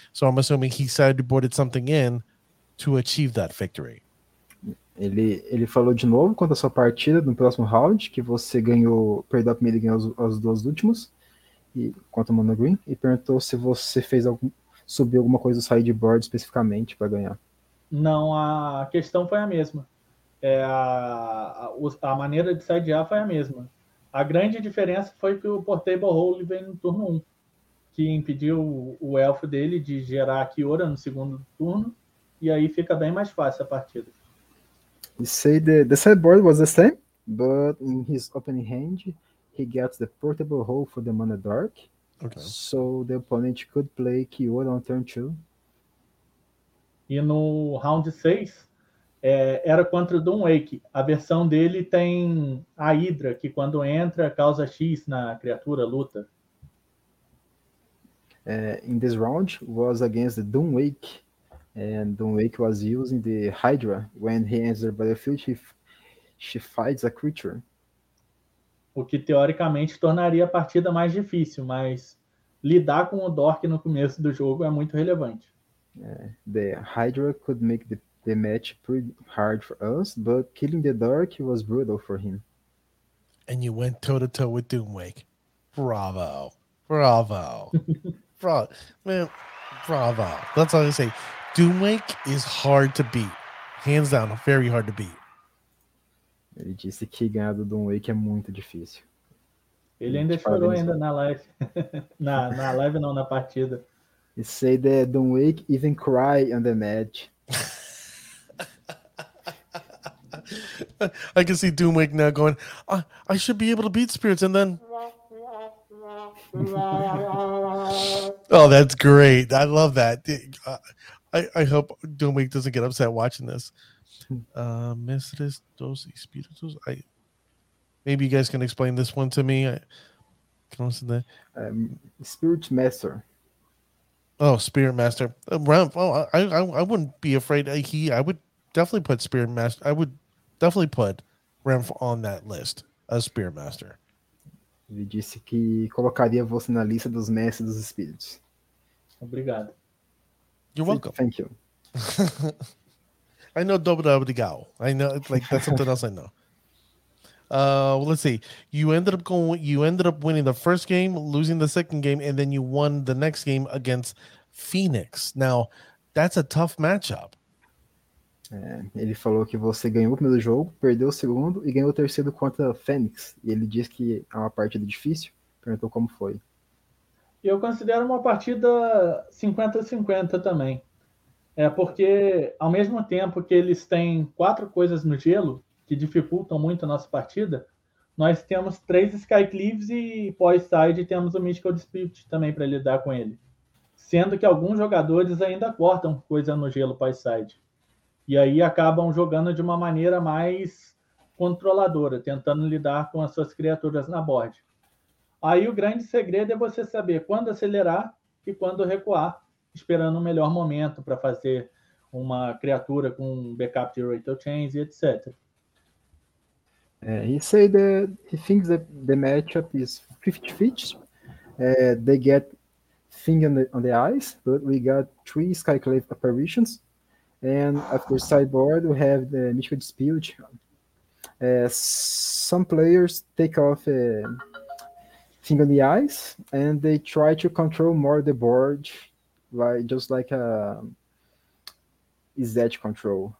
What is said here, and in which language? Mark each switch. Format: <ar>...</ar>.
<en>So I'm assuming he sideboarded something in to achieve that victory.</en> <pt>Ele falou de novo quanto à sua partida no próximo round, que você ganhou, perdeu a primeira e ganhou as duas últimas, e quanto ao mono green, e perguntou se você fez algum, subiu alguma coisa do sideboard especificamente para ganhar. Não, a questão foi a mesma. É, a maneira de sidear foi a mesma. A grande diferença foi que o Portable Hole veio no turno 1, que impediu o elfo dele de gerar a Kiora no segundo turno, e aí fica bem mais fácil a partida.</pt> <en>You say the sideboard was the same, but in his opening hand, he gets the Portable Hole for the Mana Dark, okay. So the opponent could play Kiora on turn 2.</en> <pt>E no round 6, era contra o Doomwake. A versão dele tem a Hydra, que quando entra, causa X na criatura, luta.</pt> <en>In this round, was against the Doomwake. And Doomwake was using the Hydra. When he enters the battlefield, she fights a creature.</en> <pt>O que, teoricamente, tornaria a partida mais difícil, mas lidar com o Dork no começo do jogo é muito relevante.</pt> <en>The Hydra could make the match pretty hard for us, but killing the Dork was brutal for him. And you went toe-to-toe with Doomwake. Bravo. Bravo. Bravo. That's all I say. Doomwake is hard to beat. Hands down, very hard to beat.</en> <pt>Ele disse que ganhar do Doomwake é muito difícil. Ele ainda chorou ainda na live. na live não, na partida.</pt> <en>He said that Doomwake even cry on the match. I can see Doomwake now going, I should be able to beat spirits, and then... Oh, that's great. I love that. I hope Doomwake doesn't get upset watching this.</en> <pt>Mestres dos Espíritus.</pt> <en>Maybe you guys can explain this one to me. Spirit Master. Oh, Spirit Master. I wouldn't be afraid. I would definitely put Spirit Master. I would definitely put Ramph on that list as Spirit Master.</en> <pt>Ele disse que colocaria você na lista dos mestres dos espíritos. Obrigado.</pt> <en>You're welcome. Thank you. I know Dobra Abdigao. I know, like, that's something else I know. Well, let's see. You ended up winning the first game, losing the second game, and then you won the next game against Phoenix. Now, that's a tough matchup.</en> <pt>Ele falou que você ganhou o primeiro jogo, perdeu o segundo e ganhou o terceiro contra a Phoenix. E ele disse que é uma partida difícil. Perguntou como foi. Eu considero uma partida 50-50 também. É porque, ao mesmo tempo que eles têm quatro coisas no gelo, que dificultam muito a nossa partida, nós temos três Skycleaves e pós-side temos o Mystical Dispute também para lidar com ele. Sendo que alguns jogadores ainda cortam coisa no gelo pós-side. E aí acabam jogando de uma maneira mais controladora, tentando lidar com as suas criaturas na board. Aí o grande segredo é você saber quando acelerar e quando recuar, esperando o melhor momento para fazer uma criatura com backup de Rattle Chains e etc.</pt> <en>He said that he thinks that the matchup is 50-50. They get thing on the ice, but we got three Skyclave apparitions. And after sideboard, we have the Mystical Dispute. Some players take off thing on the ice, and they try to control more the board, like just like a Zed control.</en>